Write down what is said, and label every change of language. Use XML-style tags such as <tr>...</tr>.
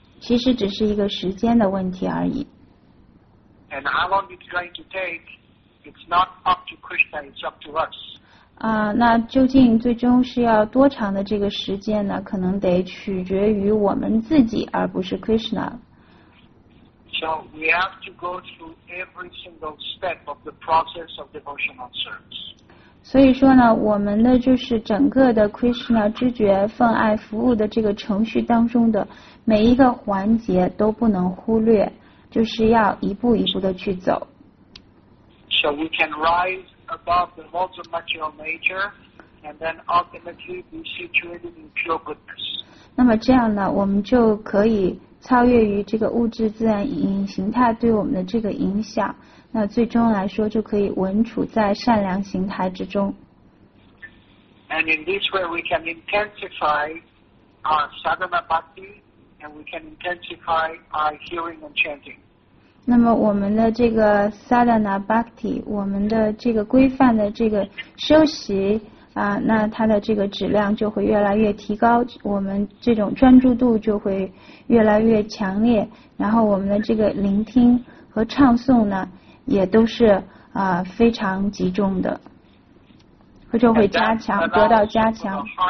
<zh>其实只是一个时间的问题而已。</zh> <en>And how long it's going to take, it's not up to Krishna, it's up to us.</en> <zh>那究竟最终是要多长的这个时间呢？可能得取决于我们自己，而不是 Krishna。</zh> <en>So we have to go through every single step of the process of devotional service.</en> <zh>所以说呢，我们的就是整个的 Krishna 知觉奉爱服务的这个程序当中的每一个环节都不能忽略，就是要一步一步的去走。</zh> <en>So we can rise. Above the modes of material nature, and then ultimately be situated in pure goodness.</en> <zh>那么这样呢，我们就可以超越于这个物质自然形态对我们的这个影响。那最终来说，就可以稳处在善良形态之中。</zh> <en>And in this way, we can intensify our sadhana bhakti, and we can intensify our hearing and chanting.</en> <zh>那么我们的这个 sadhana bhakti， 我们的这个规范的这个修习啊，那它的这个质量就会越来越提高，我们这种专注度就会越来越强烈，然后我们的这个聆听和唱诵呢，也都是非常集中的，就会加强，得到加强。</zh>